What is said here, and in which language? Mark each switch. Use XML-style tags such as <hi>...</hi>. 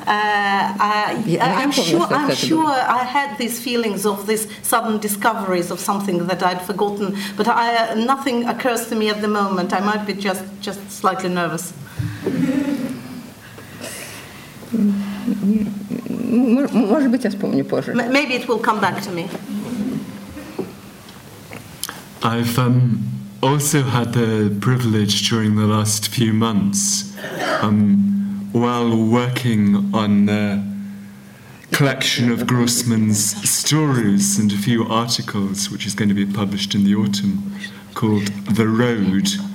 <en>I'm sure I had these feelings of these sudden discoveries of something that I'd forgotten, but nothing occurs to me at the moment. I might be just slightly nervous.</en> <ru>Может быть, я вспомню позже.</ru> <en>Maybe it will come back to me. I've also had the privilege during the last few months, while working on the collection of Grossman's stories and a few articles, which is going to be published in the autumn, called The Road.</en>